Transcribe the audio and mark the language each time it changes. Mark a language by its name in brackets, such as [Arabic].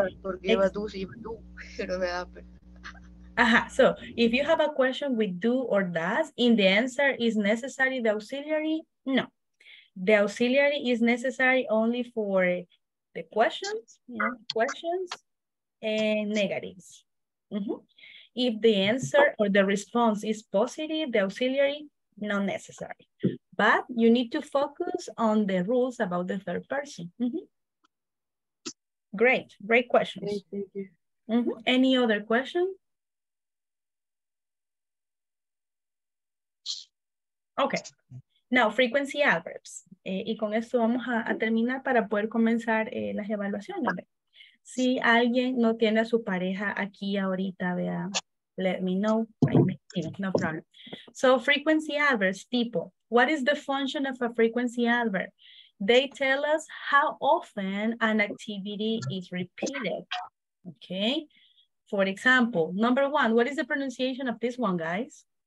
[Spanish] Porque lleva do, si lleva do, pero me da pena. [English] Ajá, so if you have a question with do or does, in the answer is necessary the auxiliary? No. The auxiliary is necessary only for the questions, and negatives. If the answer or the response is positive, the auxiliary not necessary, but you need to focus on the rules about the third person. Great questions. Thank you. Any other question? Okay, now frequency adverbs. [Spanish] Y con esto vamos a terminar para poder comenzar las evaluaciones. Si alguien no tiene a su pareja aquí ahorita, vea, [English] let me know. No problem. So frequency adverbs, tipo. What is the function of a frequency adverb? They tell us how often an activity is repeated. Okay. For example, number one, what is the pronunciation of this one, guys?